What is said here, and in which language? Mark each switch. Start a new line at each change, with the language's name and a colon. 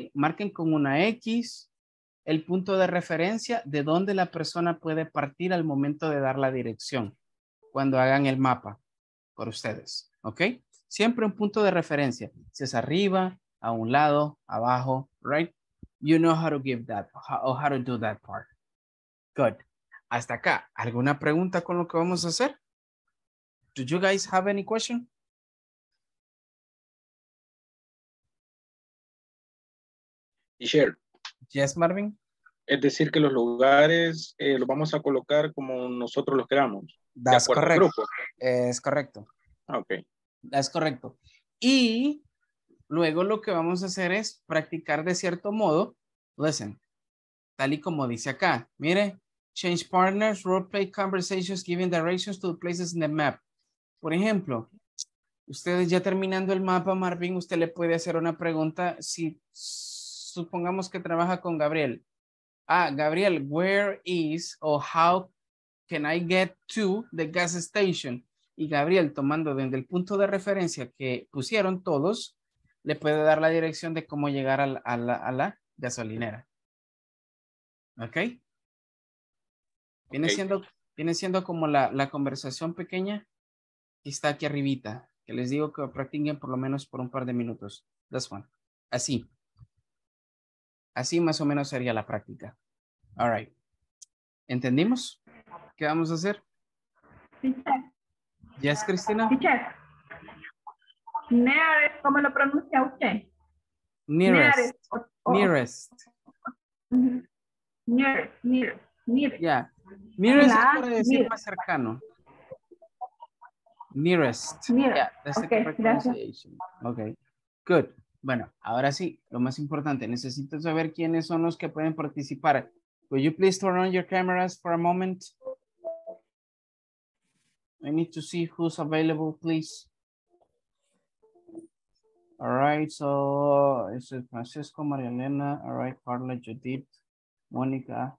Spanish: Marquen con una X. El punto de referencia de dónde la persona puede partir al momento de dar la dirección, cuando hagan el mapa por ustedes, ¿ok? Siempre un punto de referencia, si es arriba, a un lado, abajo,
English: right? You know how to give that, or how to do that part. Good.
Spanish: Hasta acá, ¿alguna pregunta con lo que vamos a hacer?
English: Do you guys have any question? Sure. Yes, Marvin.
Spanish: Es decir, que los lugares los vamos a colocar como nosotros los queramos.
English: That's correct.
Spanish: Es correcto.
English: Ok. That's correcto.
Spanish: Y luego lo que vamos a hacer es practicar de cierto modo.
English: Listen.
Spanish: Tal y como dice acá. Mire.
English: Change partners, roleplay conversations, giving directions to the places in the map.
Spanish: Por ejemplo, ustedes ya terminando el mapa, Marvin, usted le puede hacer una pregunta. Si supongamos que trabaja con Gabriel.
English: Ah, Gabriel, where is or how can I get to the gas station?
Spanish: Y Gabriel, tomando desde el punto de referencia que pusieron todos, le puede dar la dirección de cómo llegar a la gasolinera. ¿Ok? Viene siendo como la conversación pequeña que está aquí arribita. Que les digo que practiquen por lo menos por un par de minutos.
English: That's one.
Spanish: Así. Así más o menos sería la práctica.
English: All right.
Spanish: ¿Entendimos? ¿Qué vamos a hacer?
English: Teacher. Yes, Cristina. Teacher.
Spanish: Nearest, ¿cómo lo pronuncia usted?
English: Nearest. Nearest. Nearest. Nearest.
Spanish: Nearest.
English: Yeah.
Spanish: Nearest puede decir más cercano. Nearest.
English: Nearest. Yeah, that's okay. The correct pronunciation. Okay. Good.
Spanish: Bueno, ahora sí, lo más importante, necesito saber quiénes son los que pueden participar.
English: Will you please turn on your cameras for a moment? I need to see who's available, please. All right, so this is Francisco, Maria Elena, all right, Carla, Judith, Monica.